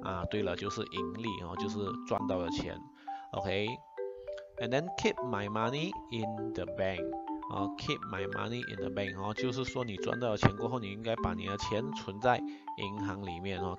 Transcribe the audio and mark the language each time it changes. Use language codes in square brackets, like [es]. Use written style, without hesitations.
[zh] 对了，就是盈利哦，就是赚到的钱。 [en] Okay. And then keep my money in the bank. Keep my money in the bank. [zh] 就是说你赚到的钱过后，你应该把你的钱存在银行里面哦。